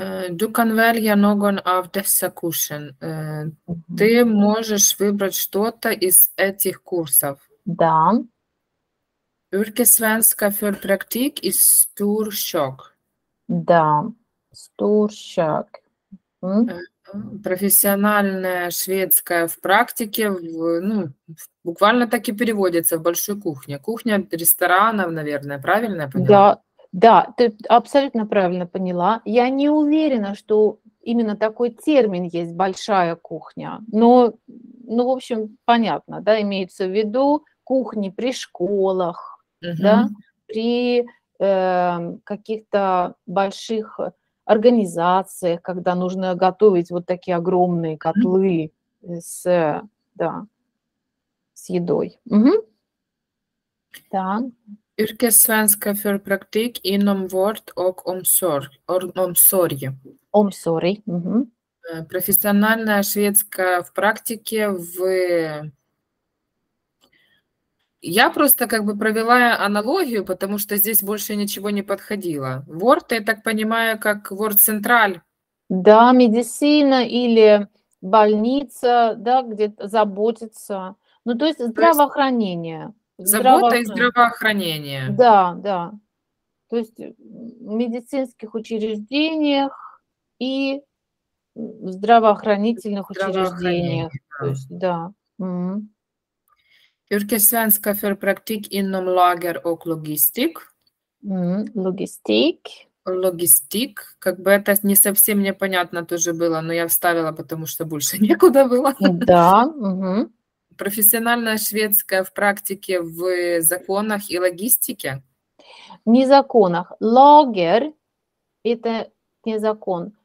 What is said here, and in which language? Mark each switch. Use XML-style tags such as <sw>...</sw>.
<sv>Du kan välja någon av dessa kursen.</sv> <ru>Ты можешь выбрать что-то из этих курсов. Да.</ru> <sv>Yrkessvenska för praktik и Storkök.</sv> <ru>Да. Storkök. Профессиональная шведская в практике, буквально так и переводится, в большой кухне. Кухня ресторанов, наверное, правильно я поняла? Да. Да, ты абсолютно правильно поняла. Я не уверена, что именно такой термин есть, большая кухня. Но, ну, в общем, понятно, да, имеется в виду кухни при школах, да, при каких-то больших организациях, когда нужно готовить вот такие огромные котлы с едой. Да.</ru> <sv>Yrkessvenska för praktik inom vård och omsorg. Omsorg.</sv> <ru>Профессиональная шведская в практике в... Я просто как бы провела аналогию, потому что здесь больше ничего не подходило. Word, я так понимаю, как Word Central. Да, медицина или больница, да, где-то заботиться. Ну, то есть здравоохранение. Забота и здравоохранение. Да. То есть в медицинских учреждениях и в здравоохранительных учреждениях. Да.</ru> <sv>Yrkessvenska för praktik inom lager och logistik. Logistik. Logistik.</sv> <ru>Как бы это не совсем непонятно тоже было, но я вставила, потому что больше некуда было. Да. Профессиональная шведская в практике в законах и логистике? Не законах. Лагер – это не закон.</ru>